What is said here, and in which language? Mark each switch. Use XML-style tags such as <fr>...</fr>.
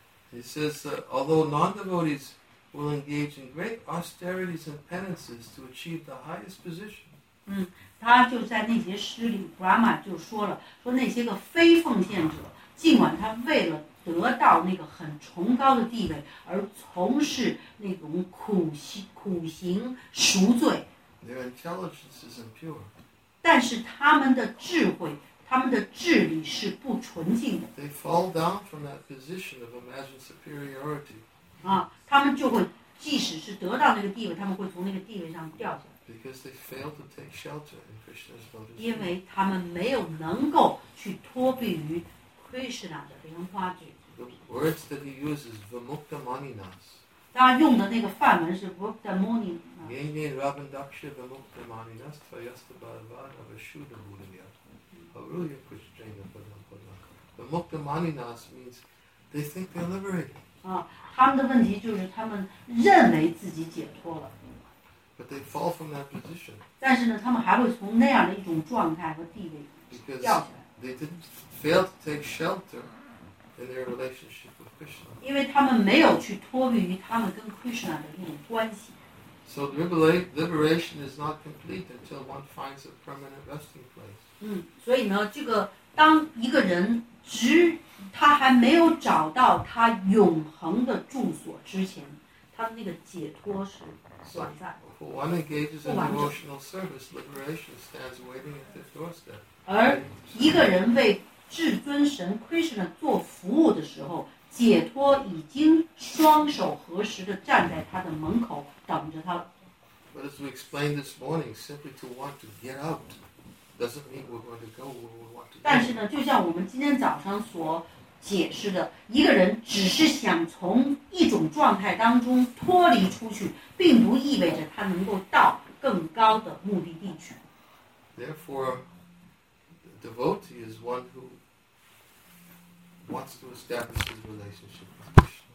<en>He says although non-devotees will engage in great austerities and penances to achieve the highest position.</en> <zh>他就在那些诗里 ，Brahma 就说了，说那些个非奉献者，尽管他为了得到那个很崇高的地位而从事那种苦行赎罪</zh> <en>，Their intelligence is impure.</en> <zh>但是他们的智慧，他们的智力是不纯净的。</zh> <en>They fall down from that position of imagined superiority.</en> <zh>他们就会，即使是得到那个地位，他们会从那个地位上掉下来。</zh> <en>Because they fail to take shelter in Krishna's lotus feet.</en> <zh>因为他们没有能够去托庇于 Krishna 的莲花指。</zh> <en>The words that he uses, vimukta maninas.</en> <zh>他用的那个梵文是 vimukta maninas.</zh> <sa>Nene rabindaksha vimukta maninas tvayasta bhavana vashuddha bhudhanya. Haruya krishchena padam padam.</sa> <en>Vimukta maninas means they think they're liberated.</en> <zh>啊，他们的问题就是他们认为自己解脱了。</zh> <en>But they fall from that position.</en> <zh>但是呢，他们还会从那样的一种状态和地位掉下来。</zh> <en>They didn't fail to take shelter in their relationship with Krishna.</en> <zh>因为他们没有去脱离于他们跟 Krishna 的一种关系。</zh> <en>So liberation is not complete until one finds a permanent resting place.</en> <zh>嗯，所以呢，这个当一个人只他还没有找到他永恒的住所之前，他的那个解脱是短暂。</zh> <en>One engages in devotional service, liberation stands waiting at the doorstep.</en> <zh>而一个人为至尊神 Krishna 做服务的时候，解脱已经双手合十地站在他的门口等着他了。</zh> <en>But as we explained this morning, simply to want to get out doesn't mean we're going to go where we want to go.</en> <zh>但是呢，就像我们今天早上所解释的，一个人只是想从一种状态当中脱离出去，并不意味着他能够到更高的目的地去。</zh> <en>Therefore, the devotee is one who wants to establish his relationship with Krishna.</en>